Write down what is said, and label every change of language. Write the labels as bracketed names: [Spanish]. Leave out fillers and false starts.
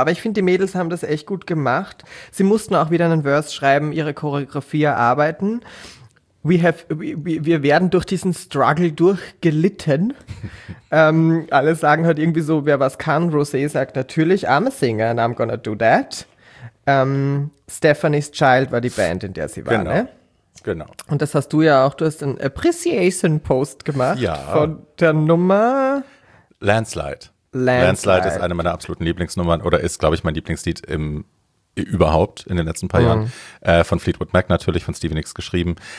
[German] Aber ich finde, die Mädels haben das echt gut gemacht. Sie mussten auch wieder einen Verse schreiben, ihre Choreografie erarbeiten. Wir werden durch diesen Struggle durchgelitten. alle sagen halt irgendwie so, wer was kann. Rosé sagt natürlich, [English] I'm a singer and I'm gonna do that. [German] Stephanie's Child war die Band, in der sie war, genau. Ne? Genau. Und das hast du ja auch, du hast einen Appreciation-Post gemacht von der Nummer Landslide. Landslide ist eine meiner absoluten Lieblingsnummern oder ist, glaube ich, mein Lieblingslied überhaupt in den letzten paar Jahren. Von Fleetwood Mac natürlich, von Stevie Nicks geschrieben.